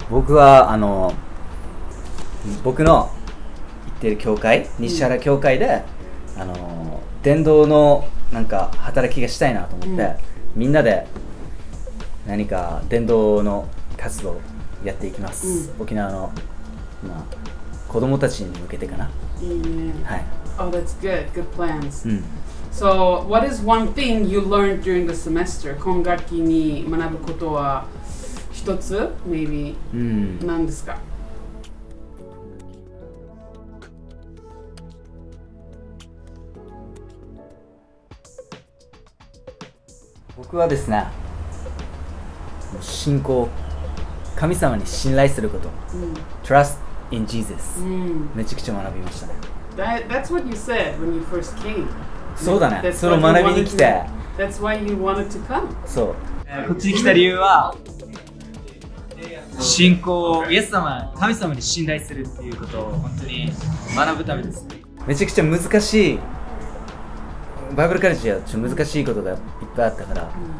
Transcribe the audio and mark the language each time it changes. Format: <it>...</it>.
<ja>僕はあの僕の行ってる教会、西原教会で、うん、あの伝道のなんか働きがしたいなと思って、うん、みんなで何か伝道の活動をやっていきます、うん、沖縄の、まあ、子供たちに向けてかな、いいね、はい、</ja> <en>Oh, that's good. Good plans.、</en> <ja>うん、</ja> <en>So, what is one thing you learned during the semester?</en> <ja>今学期に学ぶことは一つ、maybe、うん、何ですか？僕はですね、信仰、神様に信頼すること、うん、</ja> <en>Trust in Jesus、</en> <ja>うん、めちゃくちゃ学びましたね。</ja> <en>That's what you said when you first came.</en> <ja>そうだね、その学びに来て、</ja> <en>That's why you wanted to come.</en> <ja>そう、こっちに来た理由は信仰をイエス様、神様に信頼するっていうことを本当に学ぶためです。めちゃくちゃ難しい、バイブルカレッジはちょっと難しいことがいっぱいあったから、</ja>